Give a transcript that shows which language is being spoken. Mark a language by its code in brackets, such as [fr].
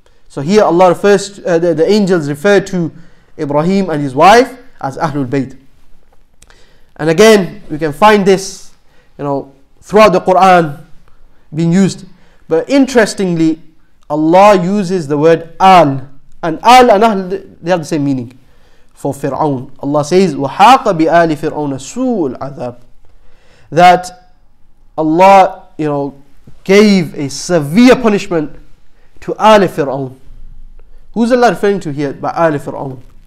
[en] So here Allah refers to, the angels refer to Ibrahim and his wife as Ahlul Bayt. And again, we can find this, you know, throughout the Quran being used. But interestingly, Allah uses the word Al. And Al and Ahl, they have the same meaning for Fir'aun. Allah says, [ar] وَحَاقَ بِآلِ فِرْعَوْنَ سُوءُ الْعَذَابِ. [en] That Allah, you know, gave a severe punishment to Ali Fir'aun. Who's Allah referring to here by Ali Fir'aun?